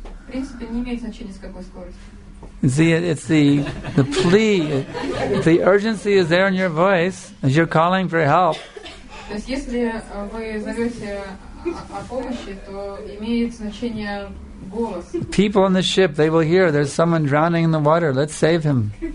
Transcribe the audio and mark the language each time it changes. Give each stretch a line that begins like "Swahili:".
Russian: В принципе, не имеет значения, с какой скоростью.
English: It's the plea. The urgency is there in your voice as you're calling for help.
Russian: То есть, если вы зовете о помощи, то имеет значение...
English: People on the ship, they will hear, there's someone drowning in the water, let's save him.